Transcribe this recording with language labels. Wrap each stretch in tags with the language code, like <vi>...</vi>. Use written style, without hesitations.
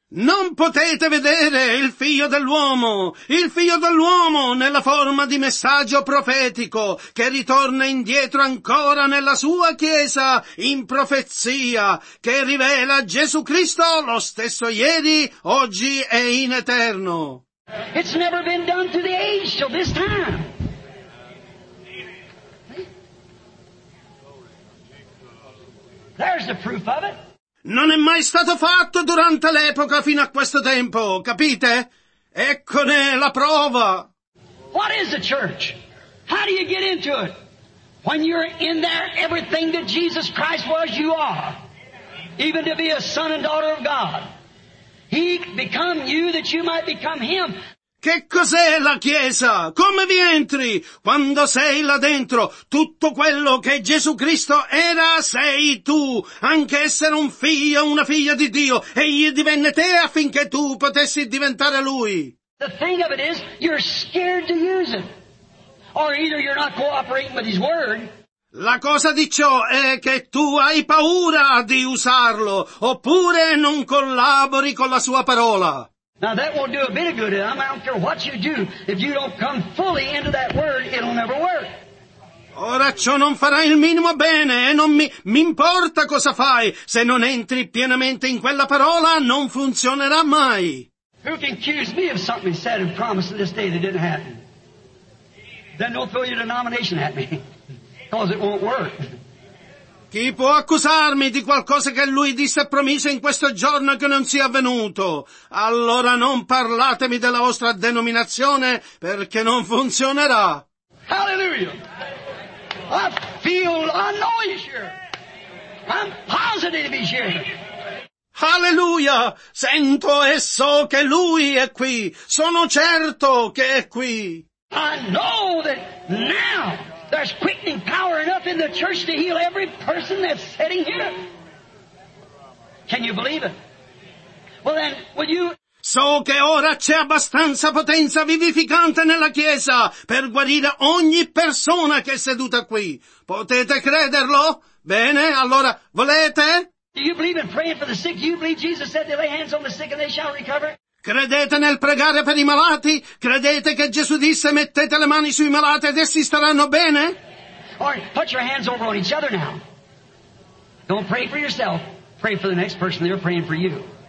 <it>Non potete vedere il Figlio dell'uomo nella forma di messaggio profetico che ritorna indietro ancora nella sua Chiesa in profezia che rivela Gesù Cristo lo stesso ieri, oggi e in eterno.</it> <en>It's never been done to the age till this time. There's the proof of it.</en> <it>Non è mai stato fatto durante l'epoca fino a questo tempo, capite? Eccone la prova.</it> <en>What is a church? How do you get into it? When you're in there, everything that Jesus Christ was, you are. Even to be a son and daughter of God. He become you that you might become him.</en> <it>Che cos'è la Chiesa? Come vi entri? Quando sei là dentro, tutto quello che Gesù Cristo era, sei tu. Anche essere un figlio, una figlia di Dio. Egli divenne te affinché tu potessi diventare Lui.</it> <en>The thing of it is, you're scared to use it. Or either you're not cooperating with His Word.</en> <it>La cosa di ciò è che tu hai paura di usarlo, oppure non collabori con la Sua parola.</it> <en>Now that won't do a bit of good. I don't care what you do. If you don't come fully into that word, it'll never work.</en> <it>Ora ciò non farà il minimo bene e non mi importa cosa fai. Se non entri pienamente in quella parola, non funzionerà mai.</it> <en>Who can accuse me of something said and promised this day that didn't happen? Then don't throw your denomination at me, because it won't work.</en> <it>Chi può accusarmi di qualcosa che Lui disse e promise in questo giorno che non sia avvenuto? Allora non parlatemi della vostra denominazione, perché non funzionerà.</it> <en>Hallelujah! I feel, I know He's here. I'm positive He's here.</en> <it>Hallelujah! Sento e so che Lui è qui. Sono certo che è qui.</it> <en>I know that now. There's quickening power enough in the church to heal every person that's sitting here. Can you believe it? Well then, will you...</en> <it>So che ora c'è abbastanza potenza vivificante nella Chiesa per guarire ogni persona che è seduta qui. Potete crederlo? Bene, allora, volete?</it> <en>Do you believe in praying for the sick? Do you believe Jesus said they lay hands on the sick and they shall recover?</en> <it>Credete nel pregare per i malati? Credete che Gesù disse mettete le mani sui malati ed essi staranno bene?</it> <en>All right, put your hands over on each other now. Don't pray for yourself. pray for the next person, they're praying for you.</en>